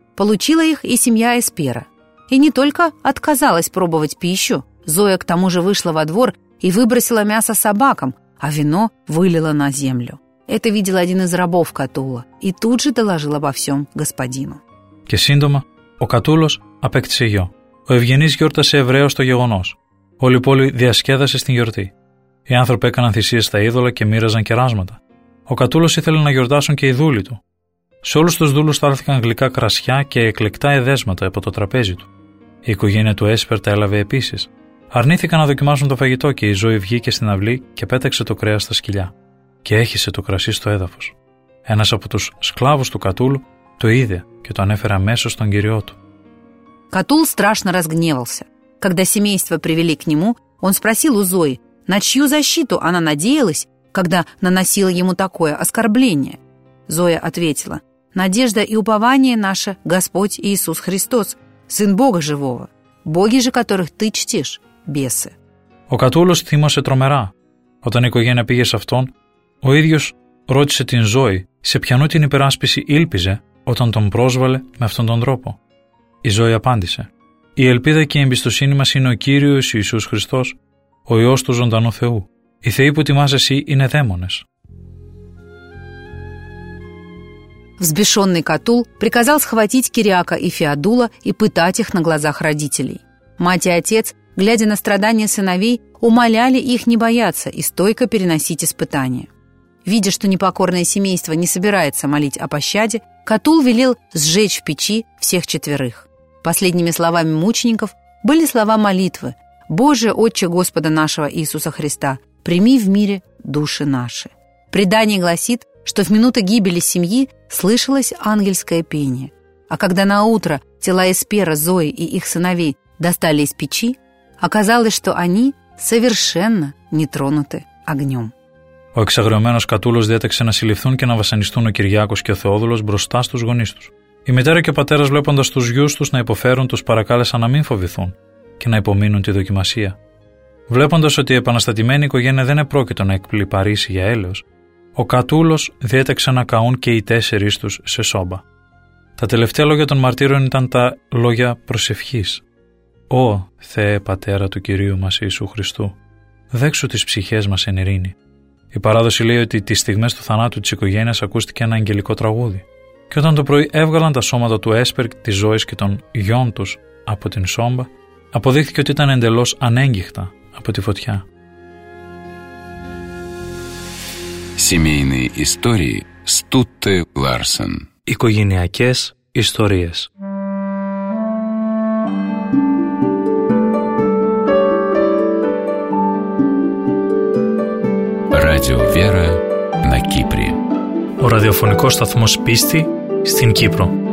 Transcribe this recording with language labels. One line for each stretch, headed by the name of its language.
Russian: Получила их и семья Эспера. И не только отказалась пробовать пищу, Зоя к тому же вышла во двор и выбросила мясо собакам, а вино вылила на землю. Это видел один из рабов Катула и тут же доложил обо всем господину.
Greek: Και σύντομα, ο Κατούλος απέκτησε γιο. Ο Ευγενής γιόρτασε ευρέως το γεγονός. Όλη η πόλη διασκέδασε στην γιορτή. Οι άνθρωποι έκαναν θυσίες στα είδωλα και μοίραζαν κεράσματα. Ο Κατούλος ήθελε να γιορτάσουν και οι δούλοι του. Σε όλους τους δούλους στάλθηκαν γλυκά κρασιά και εκλεκτά εδέσματα από το τραπέζι του. Η οικογένεια του Έσπερ τα έλαβε επίσης. Αρνήθηκαν να δοκιμάσουν το φαγητό και η ζωή βγήκε στην αυλή και πέταξε το κρέας στα σκυλιά. Και έχισε το κρασί στο έδαφος. Ένας από τους σκλάβους του Κατούλου το είδε και το ανέφερε αμέσως στον κύριό του.
Russian: Катул страшно разгневался. Когда семейство привели к нему, он спросил у Зои, на чью защиту она надеялась, когда наносила ему такое оскорбление. Зоя ответила: «Надежда и упование наше – Господь Иисус Христос, Сын Бога Живого. Боги же, которых ты чтишь – бесы».
Greek: Ο Κατούλος θύμωσε τρομερά. Όταν η οικογένεια πήγε σε αυτόν, ο ίδιος ρώτησε την Ζώη σε ποιανού την υπεράσπιση ήλπιζε όταν τον πρόσβαλε με αυτόν τον τρόπο. Η Ζώη απάντησε: «Η ελπίδα και η εμπιστοσύνη μας είναι ο Κύριος Ιησούς Χριστός, ο Υιός του Ζωντανού Θεού. Οι θεοί που τιμάς εσύ είναι δαίμονες.
Russian: Взбешенный Катул приказал схватить Кириака и Феодула и пытать их на глазах родителей. Мать и отец, глядя на страдания сыновей, умоляли их не бояться и стойко переносить испытания. Видя, что непокорное семейство не собирается молить о пощаде, Катул велел сжечь в печи всех четверых. Последними словами мучеников были слова молитвы: «Боже, Отче Господа нашего Иисуса Христа, прими в мире души наши». Предание гласит, что в минуты гибели семьи слышалось ангельское пение. А когда наутро тела Эспера, Зои и их сыновей достали из печи, оказалось, что они совершенно не тронуты огнем.
Greek: Ο εξαγριωμένος Κατούλος διέταξε να συλληφθούν και να βασανιστούν ο Κυριάκος και ο Θεόδουλος μπροστά στους γονείς τους. Η μητέρα και ο πατέρας, βλέποντας τους γιους τους να υποφέρουν, τους παρακάλεσαν να μην φοβηθούν και να υπομείνουν τη δοκιμασία. Βλέποντας ότι η επαναστατημένη οικογένεια δεν επρόκειτο να εκπληπαρίσει για έλεος, ο Κατούλος διέταξε να καούν και οι τέσσερις τους σε σόμπα. Τα τελευταία λόγια των μαρτύρων ήταν τα λόγια προσευχής. «Ω Θεέ Πατέρα του Κυρίου μας Ιησού Χριστού, δέξου τις ψυχές μας εν ειρήνη». Η παράδοση λέει ότι τις στιγμές του θανάτου της οικογένειας ακούστηκε ένα αγγελικό τραγούδι. Και όταν το πρωί έβγαλαν τα σώματα του Έσπερ, της Ζώης και των γιών τους από την σόμπα, αποδείχθηκε ότι ήταν εντελώς ανέγγιχτα από τη φωτιά.
Russian: Семейные истории Стутте Ларсен.
Greek: Οικογενειακές ιστορίες.
Russian: Радио Вера на Кипре.
Greek: Ο ραδιοφωνικός σταθμός πίστη στην Κύπρο.